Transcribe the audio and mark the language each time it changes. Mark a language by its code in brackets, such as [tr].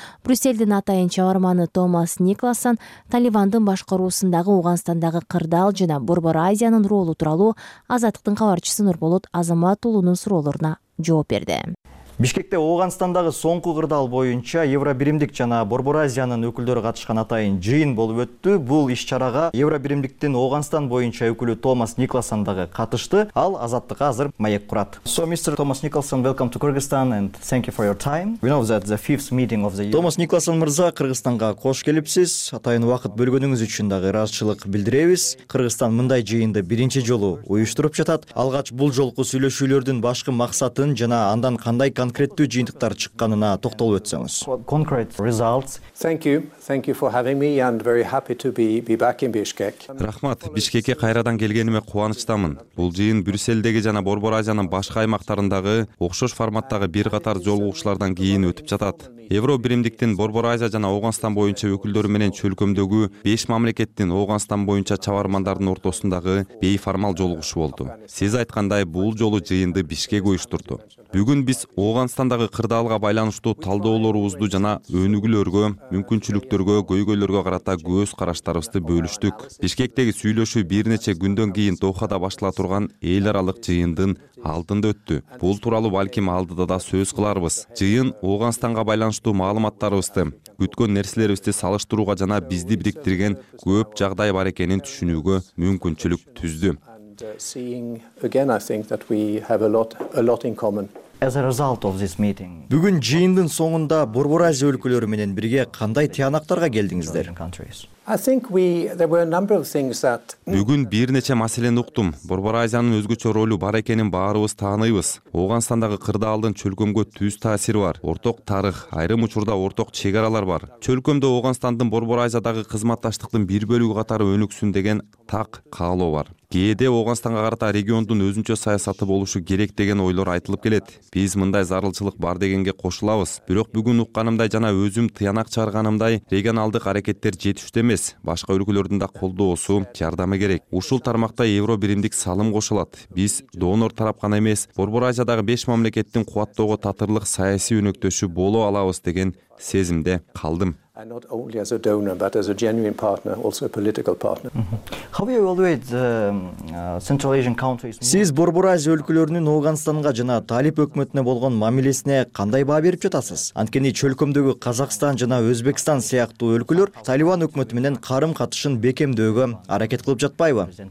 [ky] Брюсселдин атайын чыгарманы Томас Никласан Талибандын башкаруусундагы Ооганстандагы кырдаал жана Борбор Азиянын ролу тууралуу Азаттыктын кабарчысы Нурболот Азамат уулунун суроолоруна жооп берди. Бишкекте Ооганстандагы соңку кырдаал боюнча Евробиримдик жана Борбор Азиянын өкүлдөрү катышкан атайын жыйын болуп өттү. Бул иш-чарага Евробиримдиктин Ооганстан боюнча өкүлү Томас Никласан дагы катышты. Ал азаттыкка азыр маек курат. [en] So Mr. Thomas Nicholson, welcome to Kyrgyzstan and thank you for your time. We know that the fifth meeting of the year. [ky] Томас Никласан мырза, Кыргызстанга кош келипсиз. Атайын убакыт бөлгөнүңүз үчүн дагы ыраазычылык билдиребиз. Кыргызстан мындай жыйынды биринчи жолу уюштуруп жатат. Алгач бул жолку сүйлөшүүлөрдүн башкы максатын жана андан кандай конкреттүү жыйынтыктар чыкканына токтолуп өтсөңүз. [en] Concrete results. Thank you for having me and very happy to be back in Bishkek. [ky] Рахмат, Бишкекке кайрадан келгениме кубанычтамын. Бул жыйын Брюссельдеги жана Борбор Азиянын башка аймактарындагы окшош форматтагы бир катар жолугушуулардан кийин өтүп жатат. Евро биримдиктин Борбор Азия жана Ооганстан боюнча өкүлдөрү менен чөлкөмдөгү 5 мамлекеттин Ооганстан боюнча чабармандардын ортосундагы бейформал жолугушуу болду. Сиз айткандай, бул жолу жыйынды Бишкек уюштурду. Бүгүн биз Оогонстандагы кырдаалга байланыштуу талдоолорубузду жана өнүгүүлөргө, мүмкүнчүлүктөргө, көйгөйлөргө карата көз караштарыбызды бөлүштүк. Бишкектеги сүйлөшүү бир нече күндөн кийин Дохада башкарыла турган эл аралык жыйындын алдында өттү. Бул тууралуу балким алдыда да сөз кыларбыз. Жыйын Ооганстанга байланыштуу маалыматтарыбызды, күткөн нерселерибизди салыштырууга жана бизди бириктирген көп жагдай бар экенин түшүнүүгө мүмкүнчүлүк түздү. [en] Seeing again, I think that we have a lot in common. As a result of this meeting. [ky] Бүгүн жыйындын соңунда Борбор Азия өлкөлөрү менен бирге кандай тыянактарга келдиңиздер? [en] I think there were a number of things that. [ky] Бүгүн бир нече маселени уктум. Борбор Азиянын өзгөчө ролу бар экенин баарыбыз тааныйбыз. Оогонстандагы кырдаалдын чөлкөмгө түз таасири бар. Орток тарых, айрым учурда орток чек аралар бар. Чөлкөмдө Оогонстандын Борбор Азиядагы кызматташтыктын бир бөлүгү катары өнүксүн деген так каалоо бар. Кээде Ооганстанга карата региондун өзүнчө саясаты болушу керек деген ойлор айтылып келет. Биз мындай зарылчылык бар дегенге кошулабыз. Бирок бүгүн укканымдай жана өзүм тыянак чыгарганымдай регионалдык аракеттер жетиштүү эмес. Башка өлкөлөрдүн да колдоосу, жардамы керек. Ушул тармакта Евро биримдик салым кошулат. Биз донор тарап гана эмес, Борбор Азиядагы 5 мамлекеттин кубаттоого татырлык саясий өнөктөшү боло алабыз деген сезимде калдым. [en] And not only as a donor but as a genuine partner, also a political partner. How do you evaluate the Central Asian countries? [ky] Сиз Борбор Азия өлкөлөрүнүн Ооганстанга жана Талип өкмөтүнө болгон мамилесине кандай баа берип жатасыз? Анткени чөлкөмдөгү Казакстан жана Өзбекстан сыяктуу өлкөлөр Талибан өкмөтү менен карым-катышын бекемдөөгө аракет кылып жатпайбы?